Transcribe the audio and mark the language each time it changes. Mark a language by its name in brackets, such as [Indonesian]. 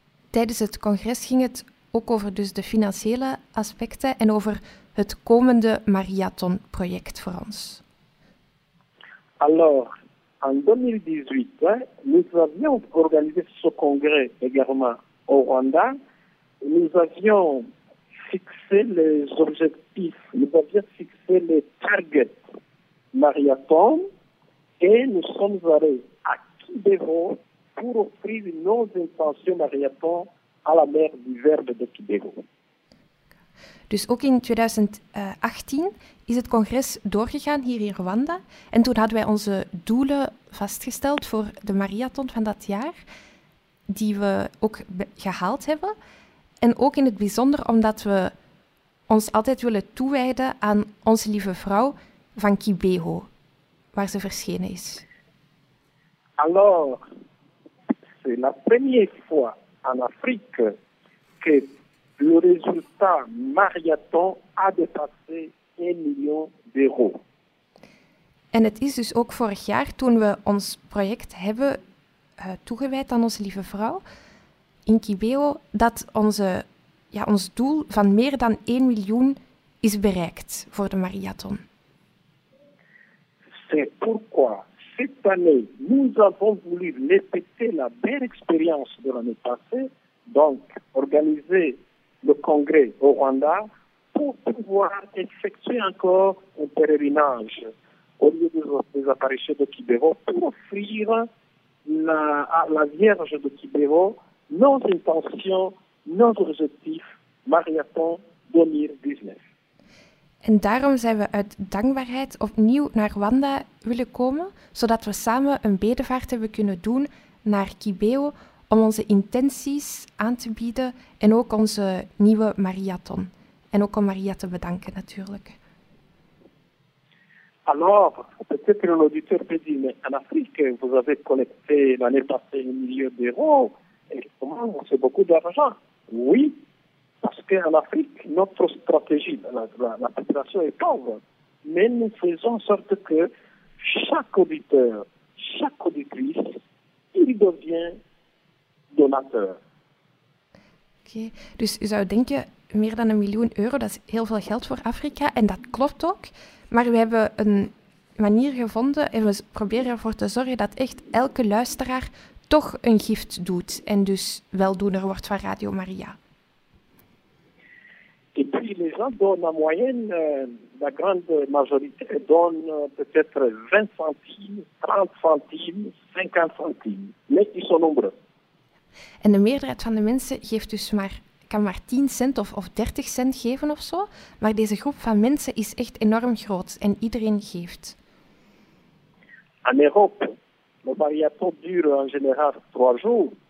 [Dutch] Tijdens het congres ging het ook over dus de financiële aspecten en over het komende mariathon-project voor ons. [French] Alors, en 2018, nous avions organisé ce congrès également au Rwanda. Nous avions fixé les objectifs, nous avions fixé les targets marathon et nous sommes allés à Kibevo pour offrir nos intentions marathon à la mère du Verbe de Kibevo. [Dutch] Dus ook in 2018 is het congres doorgegaan hier in Rwanda. En toen hadden wij onze doelen vastgesteld voor de marathon van dat jaar, die we ook gehaald hebben. En ook in het bijzonder omdat we ons altijd willen toewijden aan Onze Lieve Vrouw van Kibeho, waar ze verschenen is. [French] Alors, c'est la première fois en Afrique que le résultat marathon a dépassé 1 million d'euros. [Dutch] En het is dus ook vorig jaar, toen we ons project hebben toegewijd aan Onze Lieve Vrouw in Kibeho, dat ons doel van meer dan 1 miljoen is bereikt voor de marathon. [French] C'est pourquoi cette année nous avons voulu répéter la belle expérience de l'année passée, donc organiser le congrès au Rwanda pour pouvoir effectuer encore un pèlerinage au lieu des apparitions de Kibeho pour offrir à la Vierge de Kibeho nos intentions, nos objectifs, marathon 2019. [Dutch] En daarom zijn we uit dankbaarheid opnieuw naar Rwanda willen komen, zodat we samen een bedevaart hebben kunnen doen naar Kibeho om onze intenties aan te bieden en ook onze nieuwe marathon. En ook om Maria te bedanken, natuurlijk. [French] Alors, peut-être un auditeur peut dire, mais en Afrique, vous avez collecté l'année passée 1 million d'euros. Et comment, c'est beaucoup d'argent. Oui, parce qu'en Afrique, notre stratégie, la population est pauvre. Mais nous faisons en sorte que chaque auditeur, chaque auditrice, il devient donateur. [Dutch] Oké, okay. Dus u zou denken, meer dan 1 miljoen euro, dat is heel veel geld voor Afrika, en dat klopt ook. Maar we hebben een manier gevonden en we proberen ervoor te zorgen dat echt elke luisteraar toch een gift doet en dus weldoener wordt van Radio Maria. En puis les gens donnent en moyenne, la grande majorité donne peut-être 20 centimes, 30 centimes, 50 centimes. Mais ils sont nombreux. En de meerderheid van de mensen geeft dus maar, kan maar 10 cent of 30 cent geven of zo. Maar deze groep van mensen is echt enorm groot en iedereen geeft. En Europa, de marathon duurt in generaal 3 jours.